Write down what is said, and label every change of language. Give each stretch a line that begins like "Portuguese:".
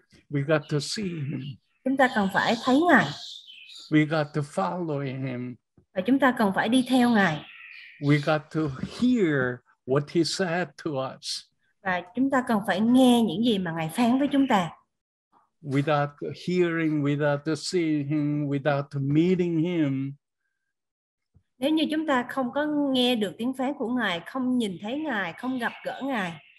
English: We got to see him.
Vietnamese: Chúng ta cần phải thấy Ngài.
English: We got to follow him.
Vietnamese: Và chúng ta cần phải đi theo Ngài.
English: We got to hear what he said to us.
Vietnamese: Và chúng ta cần phải nghe những gì mà Ngài phán với chúng ta.
English: Without hearing, without seeing him, without meeting him.
Vietnamese: Nếu như chúng ta không có nghe được tiếng phán của Ngài, không nhìn thấy Ngài, không gặp gỡ Ngài.